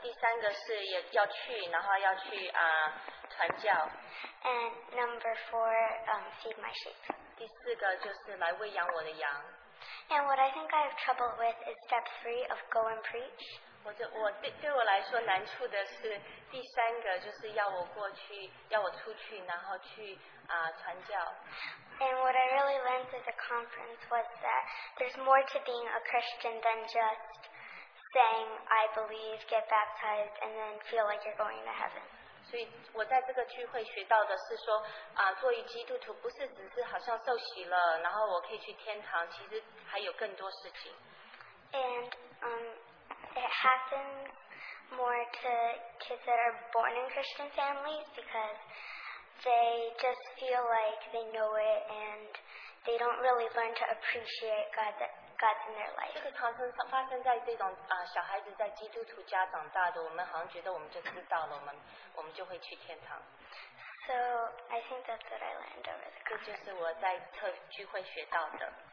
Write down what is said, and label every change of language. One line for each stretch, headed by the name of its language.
Chinese: 第三个是要去,然后要去, 传教.
English: And number four, feed my sheep.
Chinese: 第四个就是来喂养我的羊.
English: And what I think I have trouble with is step three of go and preach.
Chinese: 对我来说难处的是第三个就是要我出去,然后去, 传教.
English: And what I really learned at the conference was that there's more to being a Christian than just saying, I believe, get baptized, and then feel like you're going to heaven.
Chinese: 所以我在这个聚会学到的是说, 作为基督徒不是只是好像受洗了, 然后我可以去天堂, 其实还有更多事情。
English: And it happens more to kids that are born in Christian families because they just feel like they know it and they don't really learn to appreciate God's in their life.
Chinese: 这个常常发生在这种, 小孩子在基督徒家长大的, 我们好像觉得我们就知道了, 我们就会去天堂。
English: So I think that's what I learned over the course.
Chinese: 这就是我在聚会学到的。